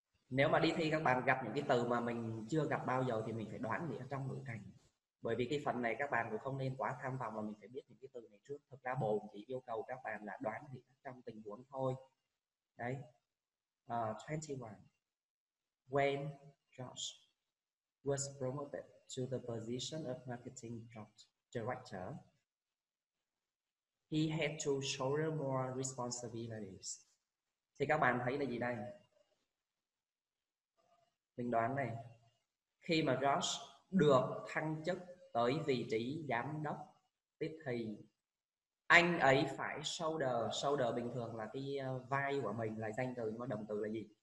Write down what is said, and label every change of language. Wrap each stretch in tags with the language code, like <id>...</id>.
<vi>Nếu mà đi thi các bạn gặp những cái từ mà mình chưa gặp bao giờ thì mình phải đoán nghĩa trong ngữ cảnh. Bởi vì cái phần này các bạn cũng không nên quá tham vọng mà mình phải biết những cái từ này trước. Thực ra bộ chỉ yêu cầu các bạn là đoán nghĩa trong tình huống thôi. Đấy. 21.</vi> <en>When Josh was promoted to the position of marketing director, he had to shoulder more responsibilities.</en> <vi>Thì các bạn thấy là gì đây? Mình đoán này. Khi mà Josh được thăng chức tới vị trí giám đốc tiếp thị Anh ấy phải shoulder. Shoulder bình thường là cái vai của mình, là danh từ, nhưng mà động từ là gì?</vi>